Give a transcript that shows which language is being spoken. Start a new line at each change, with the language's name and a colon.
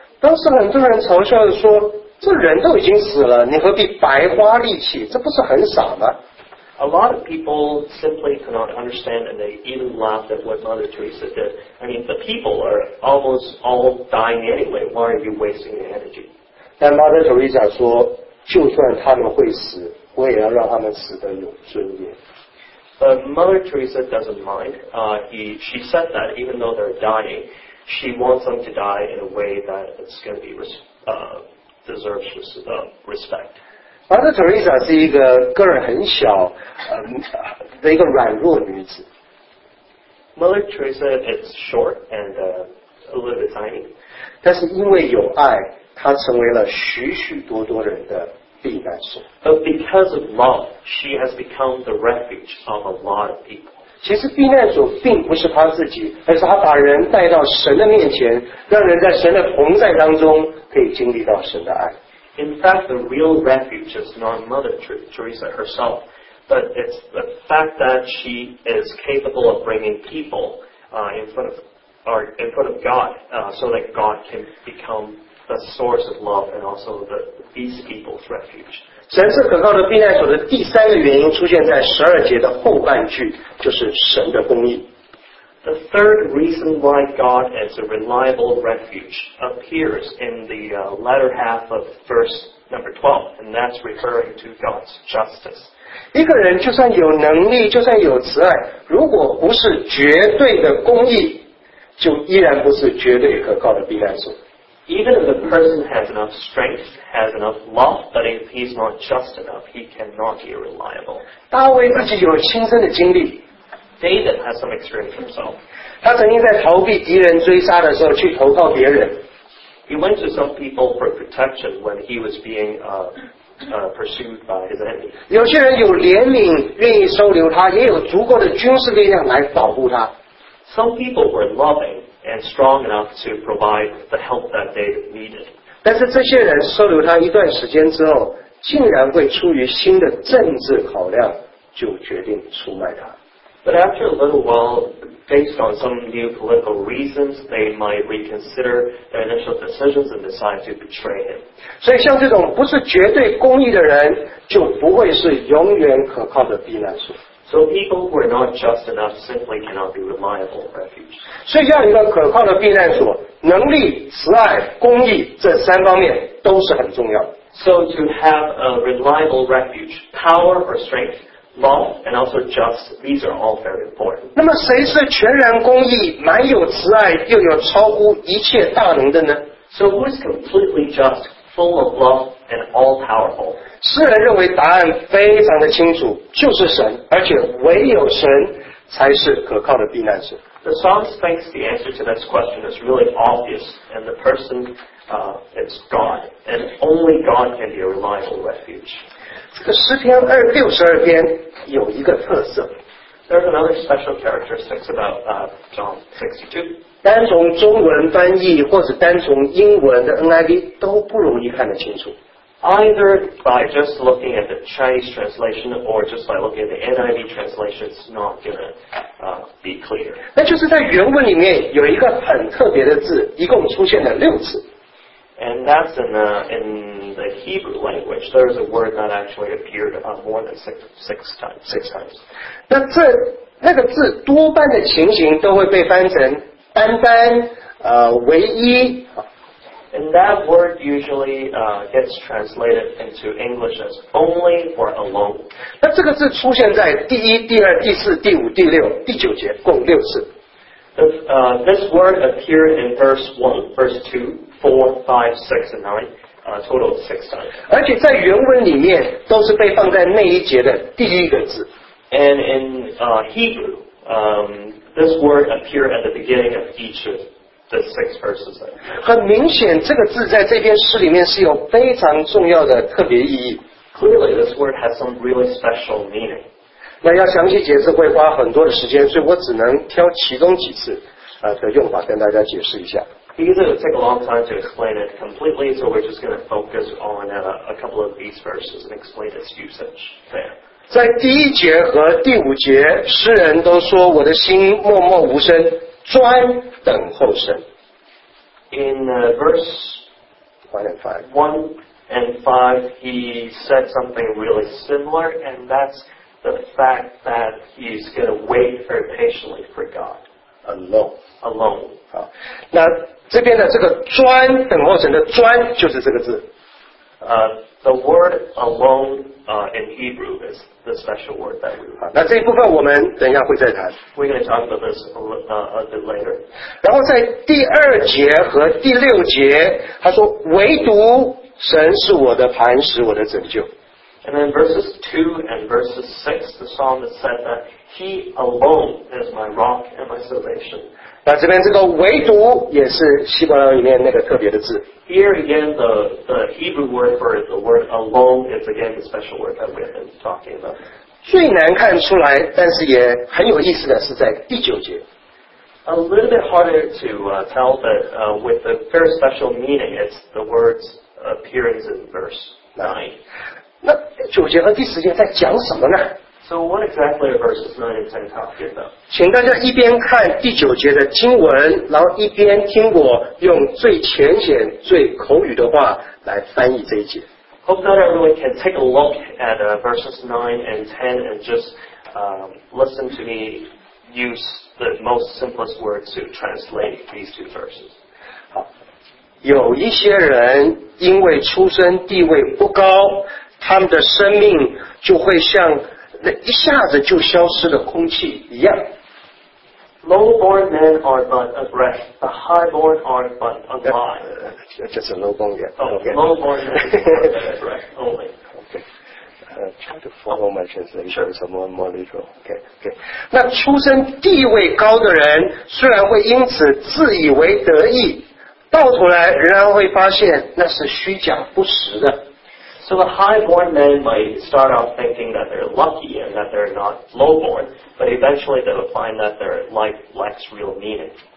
Chinese: 当时很多人嘲笑着说，这人都已经死了，你何必白花力气？这不是很傻吗？
English: A lot of people simply cannot understand and they even laughed at what Mother Teresa did. I mean, the people are almost all dying anyway. Why are you wasting your energy?
Chinese: 但 Mother Teresa 说，就算他们会死，我也要让他们死得有尊严。
English: But Mother Teresa doesn't mind. She said that even though they're dying, she wants them to die in a way that it's going to be deserves respect.
Chinese: Mother Teresa 是一个个人很小的一个软弱女子。
English: Mother Teresa is short and a little bit tiny.
Chinese: 但是因为有爱，她成为了许许多多人的。
English: But because of love, she has become the refuge of a lot of people.
Chinese: 其实避难所并不是她自己，而是她把人带到神的面前，让人在神的同在当中可以经历到神的爱。
English: In fact, the real refuge is not Mother Teresa herself, but it's the fact that she is capable of bringing people in front of God, so that God can become the source of love and also these people's refuge.
Chinese: 神是可靠的避难所的第三个原因出现在十二节的后半句，就是神的公义。
English: The third reason why God is a reliable refuge appears in the latter half of verse number 12, and that's referring to God's justice.
Chinese: 一个人就算有能力，就算有慈爱，如果不是绝对的公义，就依然不是绝对可靠的避难所。
English: Even if a person has enough strength, has enough love, but if he's not just enough, he cannot be reliable.
Chinese: 大卫自己有亲身的经历。
English: David has some experience himself.
Chinese: 他曾经在逃避敌人追杀的时候去投靠别人。
English: He went to some people for protection when he was being pursued by his enemy.
Chinese: 有些人有怜悯，愿意收留他，也有足够的军事力量来保护他。
English: Some people were loving and strong enough to provide the help that they needed.
Chinese: 但是这些人收留他一段时间之后，竟然会出于新的政治考量，就决定出卖他。
English: But after a little while, based on some new political reasons, they might reconsider their initial decisions and decide to betray him.
Chinese: 所以像这种不是绝对公义的人，就不会是永远可靠的避难所。
English: So people who are not just enough simply cannot be reliable refuge.
Chinese: 所以要一个可靠的避难所，能力、慈爱、公义这三方面都是很重要。
English: So to have a reliable refuge, power or strength, love and also just, these are all very important.
Chinese: 那么谁是全然公义、满有慈爱又有超乎一切大能的呢？
English: So who is completely just, full of love and all powerful?
Chinese: 诗人认为答案非常的清楚，就是神，而且唯有神才是可靠的避难所。
English: The psalmist thinks the answer to this question is really obvious, and the person is God. And only God can be a reliable refuge.
Chinese: 这个诗篇二六十二篇有一个特色。
English: There's another special characteristic about John 62.
Chinese: 单从中文翻译或者单从英文的 NIV 都不容易看得清楚。
English: Either by just looking at the Chinese translation or just by looking at the NIV translation, it's not going to be clear.
Chinese: 那就是在原文里面有一个很特别的字，一共出现了六次。
English: And that's in the Hebrew language. There's a word that actually appeared more than six times.
Chinese: 那个字多半的情形都会被翻成单单、唯一。
English: And that word usually gets translated into English as only or alone.
Chinese: 那这个字出现在第一、第二、第四、第五、第六、第九节，共六次。
English: This word appeared in verse 1, verse 2, 4, 5, 6, and 9, total of 6 times.
Chinese: 而且在原文里面都是被放在那一节的第一个字。
English: And in Hebrew, this word appeared at the beginning of each of the 6 verses.
Chinese: 很明显这个字在这篇诗里面是有非常重要的特别意义。
English: Clearly, this word has some really special meaning.
Chinese: 那要详细解释会花很多的时间，所以我只能挑其中几次的用法跟大家解释一下。
English: Because it would take a long time to explain it completely, so we're just going to focus on a couple of these verses and explain its usage there.
Chinese: 在第一节和第五节，诗人都说：“我的心默默无声，专等候神。”
English: In verse 1 and 5, he said something really similar, and that's. The fact that he's going to wait very patiently for God. Alone.
Chinese: 好，那这边的这个专等候神的专就是这个字。
English: The word alone in Hebrew is the special word that we have.
Chinese: 那这一部分我们等一下会再谈。
English: We're going to talk about this a bit later.
Chinese: 然后在第二节和第六节，他说唯独神是我的磐石，我的拯救。
English: And then verses 2 and verses 6, the psalmist said that he alone is my rock and my salvation.
Chinese: 那这边这个唯独也是希伯来里面那个特别的字。
English: Here again, the Hebrew word for it, the word alone, is again the special word that we've been talking about.
Chinese: 最难看出来，但是也很有意思的是在第九节。
English: A little bit harder to tell, but with a very special meaning, it's the words appearance in verse 9.
Chinese: 那九节和第十节在讲什么呢
English: ？So what exactly are verses 9 and 10 talking about?
Chinese: 请大家一边看第九节的经文，然后一边听我用最浅显、最口语的话来翻译这一节。
English: Hope that everyone can take a look at verses 9 and 10 and just listen to me use the most simplest words to translate these two verses.
Chinese: 好，有一些人因为出身地位不高。他们的生命就会像那一下子就消失的空气一样。
English: Low-born men are but a breath, the high-born are but a lie. Just a low-born man. Low-born men are but a breath only. Okay. Try to follow my translation. It's more literal. Okay.
Chinese: 那出身地位高的人虽然会因此自以为得意，到头来仍然会发现那是虚假不实的。
English: So the high-born men might start off thinking that they're lucky and that they're not low-born, but eventually they will find that their life lacks real meaning.